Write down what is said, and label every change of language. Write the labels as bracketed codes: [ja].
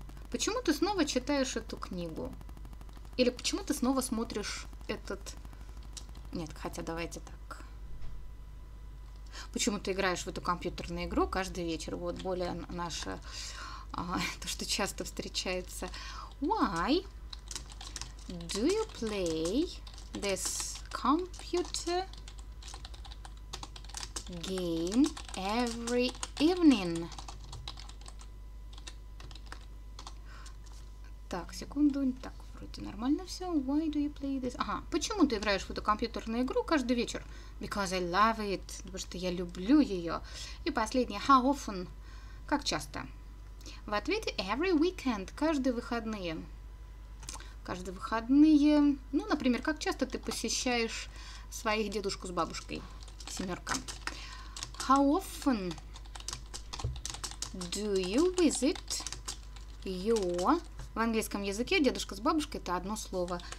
[ru] Почему ты снова читаешь эту книгу? Или почему ты снова смотришь этот... Нет, хотя давайте так. Почему ты играешь в эту компьютерную игру каждый вечер? Вот более наше, то, что часто встречается. [en] Why do you play this computer game every evening? [ru] Так, секунду, так. Вроде нормально все. [en] Why do you play this? [ru] Ага, почему ты играешь в эту компьютерную игру каждый вечер? [en] Because I love it. [ru] Потому что я люблю ее. И последнее. [en] How often? [ru] Как часто? В ответе [en] every weekend. [ru] Каждые выходные. Каждые выходные. Ну, например, как часто ты посещаешь своих дедушку с бабушкой. Семерка. [en] How often do you visit your... [ru] В английском языке дедушка с бабушкой — это одно слово.